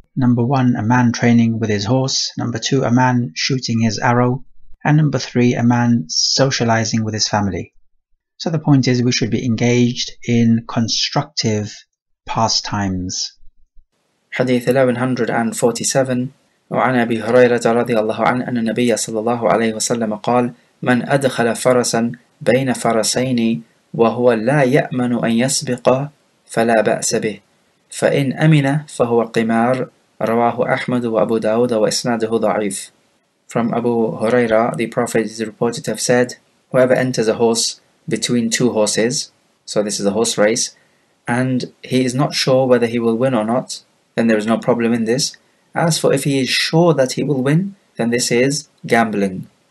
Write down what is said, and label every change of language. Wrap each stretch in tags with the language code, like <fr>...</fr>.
<en>Number one, a man training with his horse. Number two, a man shooting his arrow. And number three, a man socializing with his family. So the point is, we should be engaged in constructive pastimes. Hadith 1147.</en> <ar>وعن أبي هريرة رضي الله عنه أن النبي صلى الله عليه وسلم قال من أدخل فرسا بين فرسين وهو لا يأمن أن يسبقه فلا بأس به فإن أمن فهو قمار رواه أحمد وأبو داود وإسناده ضعيف.</ar> <en>From Abu Huraira, the Prophet is reported to have said, whoever enters a horse between two horses, so this is a horse race, and he is not sure whether he will win or not, then there is no problem in this. As for if he is sure that he will win, then this is gambling.</en>